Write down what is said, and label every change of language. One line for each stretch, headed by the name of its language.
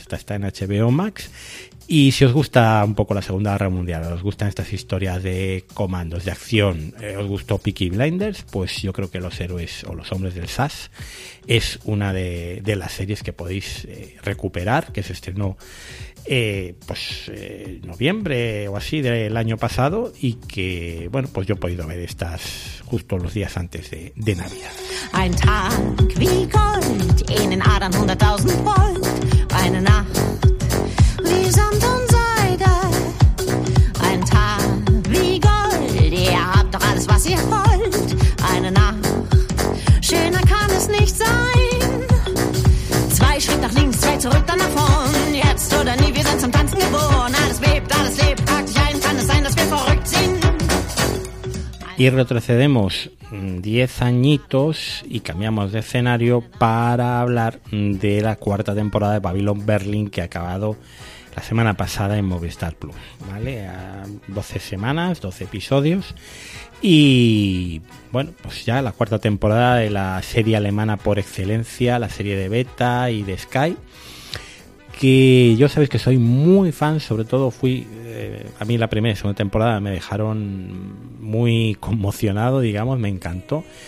Spanish: Esta está en HBO Max. Y si os gusta un poco la Segunda Guerra Mundial, os gustan estas historias de comandos, de acción, os gustó Peaky Blinders, pues yo creo que Los Héroes o Los Hombres del SAS es una de las series que podéis recuperar, que se estrenó noviembre o así del año pasado, y que, bueno, pues yo he podido ver estas justo los días antes de Navidad.
German: Ein Tag wie Gold, in den Adern 100.000 Volt, eine Nacht. Wie Sand und Seide, ein Tag wie Gold, ihr habt doch alles, was ihr wollt. Eine Nacht, schöner kann es nicht sein. Zwei Schritte nach links, zwei zurück, dann nach vorn. Jetzt oder nie, wir sind zum Tanzen geboren. Alles lebt, frag dich ein, kann es sein, dass wir verrückt sind.
Spanish: Y retrocedemos 10 añitos y cambiamos de escenario para hablar de la cuarta temporada de Babylon Berlin, que ha acabado la semana pasada en Movistar Plus, ¿vale? A 12 semanas, 12 episodios. Y bueno, pues ya la cuarta temporada de la serie alemana por excelencia, la serie de Beta y de Sky, que yo sabéis que soy muy fan, sobre todo fui, a mí la primera y segunda temporada me dejaron muy conmocionado, digamos, me encantó.